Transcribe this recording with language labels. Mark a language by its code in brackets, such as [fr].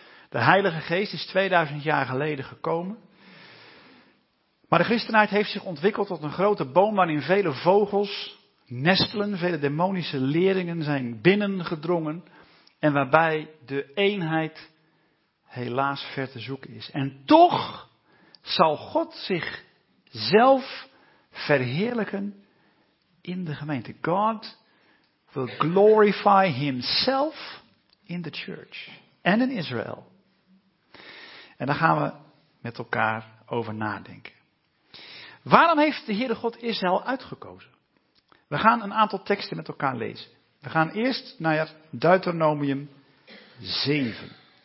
[nl] De Heilige Geest is 2000 jaar geleden gekomen. Maar de christenheid heeft zich ontwikkeld tot een grote boom waarin vele vogels nestelen, vele demonische leerlingen zijn binnengedrongen en waarbij de eenheid helaas ver te zoeken is. En toch zal God zichzelf verheerlijken in de gemeente. [en] God will glorify himself in the church [nl] en in Israel. En daar gaan we met elkaar over nadenken. Waarom heeft de Heere God Israël uitgekozen? We gaan een aantal teksten met elkaar lezen. We gaan eerst naar Deuteronomium 7.